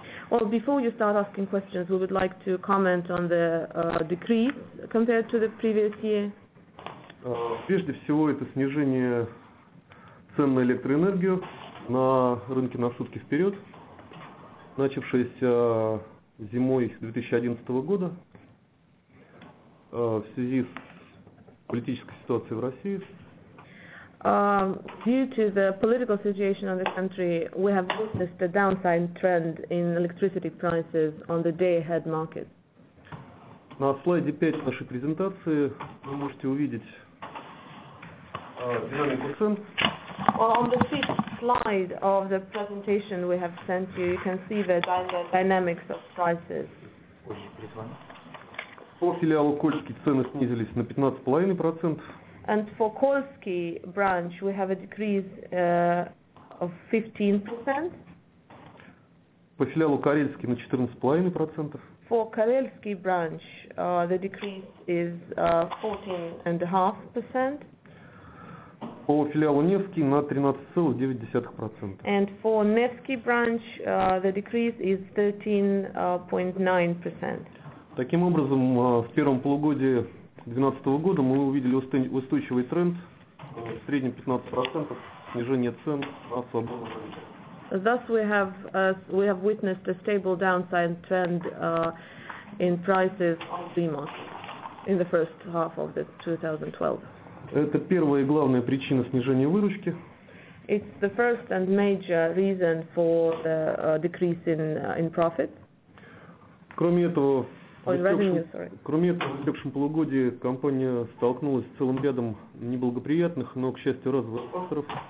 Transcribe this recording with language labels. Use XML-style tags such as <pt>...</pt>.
<en>Well, before you start asking questions, we would like to comment on the decrease compared to the previous year.</en> <ru>Прежде всего, это снижение цен на электроэнергию на рынке на сутки вперед, начавшееся зимой 2011 года в связи с политической ситуацией в России.</ru> <en>Due to the political situation in the country, we have witnessed a downside trend in electricity prices on the day-ahead market.</en> <ru>На слайде 5 нашей презентации вы можете увидеть динамику цен.</ru> <en>Well, on the fifth slide of the presentation we have sent you, you can see the dynamics of prices.</en> <ru>По филиалу Кольский цены снизились на 15.5%.</ru> <en>And for Kolsky branch, we have a decrease of 15%.</en> <ru>По филиалу Карельский на 14.5%.</ru> <en>For Карельский branch, the decrease is 14.5%.</en> <ru>По филиалу Невский на 13.9%.</ru> <en>And for Невский branch, the decrease is 13.9%.</en> <ru>Таким образом, в первом полугодии 2012 года мы увидели устойчивый тренд, в среднем 15% снижение цен на свободном рынке.</ru> <en>Thus we have witnessed a stable downside trend in prices on the market in the first half of the 2012.</en> <ru>Это первая и главная причина снижения выручки.</ru> <en>It's the first and major reason for the decrease in profit.</en> <ru>Кроме этого, Кроме этого, в текущем полугодии компания столкнулась с целым рядом неблагоприятных, но, к счастью, разовых факторов.</ru>